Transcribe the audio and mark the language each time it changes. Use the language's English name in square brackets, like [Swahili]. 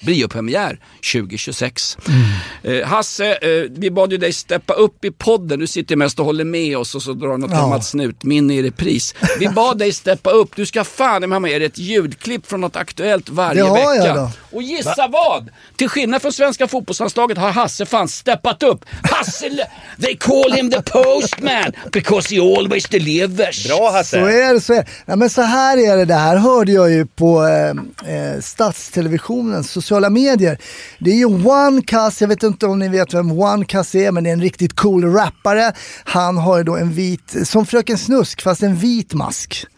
[Swedish] Biopremiär 2026. Mm. Hasse, vi bad ju dig steppa upp i podden. Du sitter mest och håller med oss och så drar något gammalt snut. Min är i repris. Vi bad dig steppa upp. Du ska fan med mig ett ljudklipp från något aktuellt varje det har vecka. Jag då. Och gissa vad? Till skillnad från svenska fotbollslandslaget har Hasse fan steppat upp. [English] Hasse, they call him the postman, because he always delivers. [Swedish] Bra, Hasse. Så är det. Ja, men så här är det. Det här hörde jag ju på statstelevisionens sociala medier. Det är ju OneCast. Jag vet inte om ni vet vem OneCast är, men det är en riktigt cool rappare. Han har ju då en vit, som Fröken Snusk, fast en vit mask.